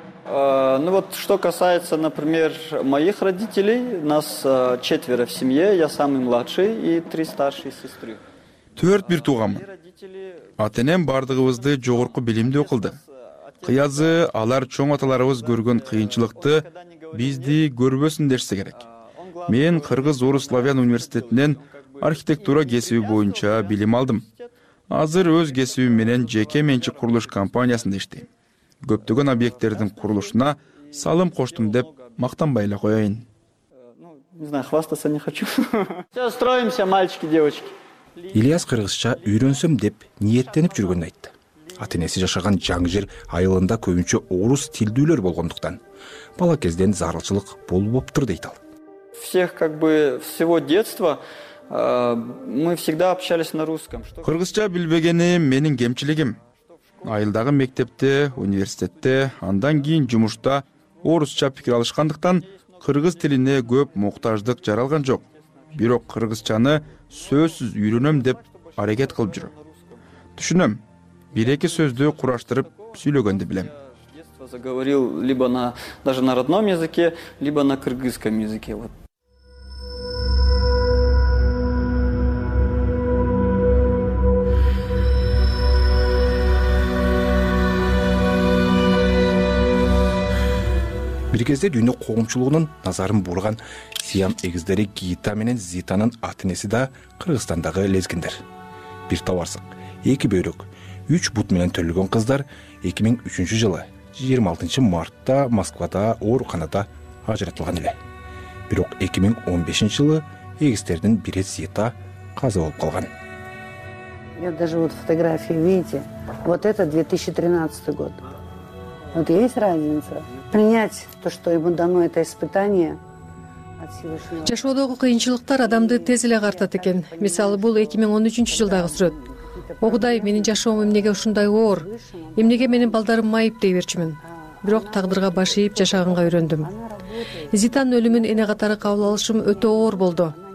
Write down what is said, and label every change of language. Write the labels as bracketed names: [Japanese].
[Russian] Что касается, например, моих родителей, нас четверо в семье, я самый младший и три старшие сестры. [Kyrgyz] Төрт бир тууганмын. Атенем бардыгыбызды жогорку билимдүү кылды. Кыязы алар чоң аталарыбыз көргөн кыйынчылыкты бизди көрбөсүн дешсе керек. Мен кыргыз-орус славян университетинен архитектура кесиби боюнча билим алдым. Азыр өз кесибим менен жеке менчик курулуш компаниясында иштейм. Көптөгөн объекттердин курулушуна салым коштум деп мактанбай эле коёюн. [Russian] Не знаю, хвастаться не хочу. Все, строимся, мальчики, девочки. [Kyrgyz] Ильяс кыргызча үйрөнсөм деп ниеттенип жүргөнүн айтты. Атенеси жашаган жаңы жер айылында көбүнчө орус тилдүүлөр болгондуктан бала кезден зарылчылык болбоптур дейт ал. [Russian] Всех как бы всего детства мы всегда общались на русском. [Kyrgyz] Кыргызча билбегени менин кемчилигим. Айылдагы мектепте, университетте, андан кийин жумушта орусча пикир алышкандыктан кыргыз тилине көп муктаждык жаралган жок. Бирок кыргызчаны сөзсүз үйрөнөм деп аракет кылып жүрөм. Түшүнөм. Бир эки сөздү кураштырып сүйлөгөндү билем. [Russian] Заговорил либо на даже на родном языке, либо на кыргызском языке. [Kyrgyz] Бир кезде дүйнө коомчулугунун назарын бурган сиям эгиздери Гита менен Зитанын атенеси да Кыргызстандагы лезгиндер. Бир табарсык, эки бөйрөк, үч бут менен төрөлгөн кыздар 2003 жылы 26 мартта Москвада ооруканада ажыратылган эле. Бирок 2015 жылы эгиздердин бири Зита каза болуп калган. [Russian] Я даже вот фотографии, видите? Вот это 2013 год. Вот есть разница. Принять то, что ему дано это испытание от силы. [Kyrgyz] Жашоодогу кыйынчылыктар адамды тез эле картат экен. Мисалы, бул 2013 жылдагы сүрөт. Огудай, менин жашоом эмнеге ушундай оор? Эмнеге менин балдарым майып дей берчүмүн? Бирок тагдырга баш ийип жашаганга үйрөндүм. Зитанын өлүмүн эне катары кабыл алышым өтө оор болду.